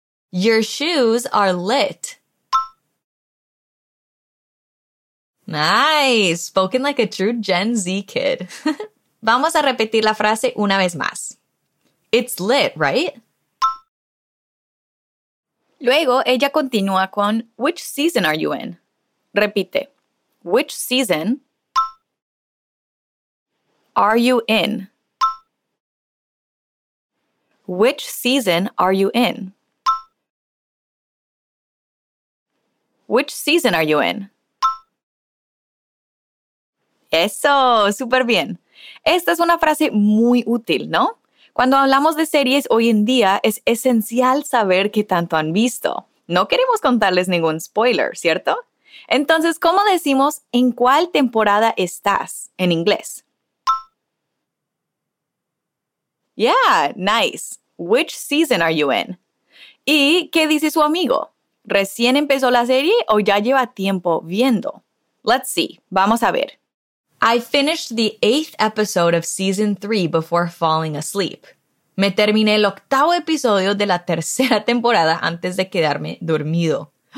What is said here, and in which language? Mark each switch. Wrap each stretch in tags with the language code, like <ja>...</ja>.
<en>Your shoes are lit. Nice! Spoken like a true Gen Z kid.</en> <es>Vamos a repetir la frase una vez más.</es> <en>It's lit, right?</en> <es>Luego, ella continúa con,</es> <en>which season are you in?</en> <es>Repite.</es> <en>Which season are you in? Which season are you in? Which season are you in?</en> <es>¡Eso! ¡Súper bien! Esta es una frase muy útil, ¿no? Cuando hablamos de series hoy en día, es esencial saber qué tanto han visto. No queremos contarles ningún spoiler, ¿cierto? Entonces, ¿cómo decimos en cuál temporada estás en inglés?</es> <en>¡Yeah! ¡Nice! ¿Which season are you in?</en> <es>¿Y qué dice su amigo? ¿Recién empezó la serie o ya lleva tiempo viendo?</es> <en>Let's see.</en> <es>Vamos a ver.</es> <en>I finished the 8th episode of season 3 before falling asleep.</en> <es>Me terminé el octavo episodio de la tercera temporada antes de quedarme dormido.</es>